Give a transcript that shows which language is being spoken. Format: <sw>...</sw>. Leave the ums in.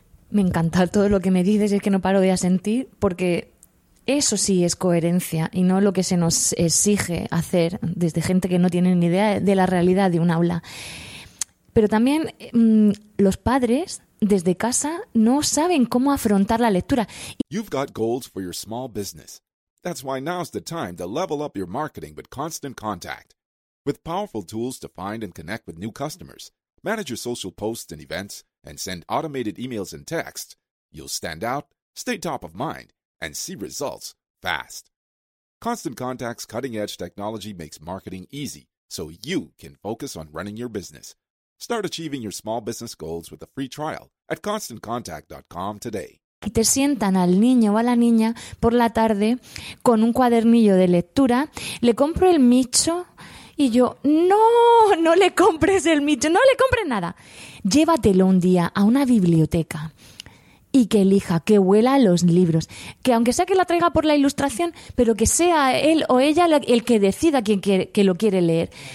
<es>Me encanta todo lo que me dices y es que no paro de asentir porque eso sí es coherencia y no lo que se nos exige hacer desde gente que no tiene ni idea de la realidad de un aula. Pero también mmm, los padres desde casa no saben cómo afrontar la lectura.</es> <en>You've got goals for your small business. That's why now is the time to level up your marketing with constant contact. With powerful tools to find and connect with new customers, manage your social posts and events, and send automated emails and texts, you'll stand out, stay top of mind, and see results fast. Constant Contact's cutting edge technology makes marketing easy so you can focus on running your business. Start achieving your small business goals with a free trial at constantcontact.com today.</en> <es>Que te sientan al niño o a la niña por la tarde con un cuadernillo de lectura. Le compro el micho. Y yo, no, no le compres el mito no le compres nada. Llévatelo un día a una biblioteca y que elija, que huela a los libros, que aunque sea que la traiga por la ilustración, pero que sea él o ella el que decida quién que lo quiere leer.</es>